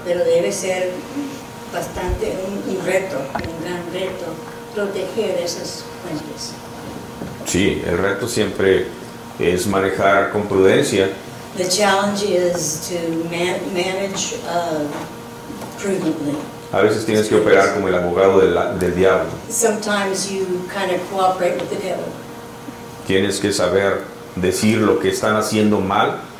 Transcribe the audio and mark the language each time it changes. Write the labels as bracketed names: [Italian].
[Spanish] Pero debe ser bastante un reto, un gran reto proteger esas fuentes. Sí, el reto siempre es manejar con prudencia. [English] The challenge is to manage prudently. [Spanish] A veces tienes que operar como el abogado del diablo. [English] Sometimes you kind of cooperate with the devil. [Spanish] Tienes que saber decir lo que están haciendo mal.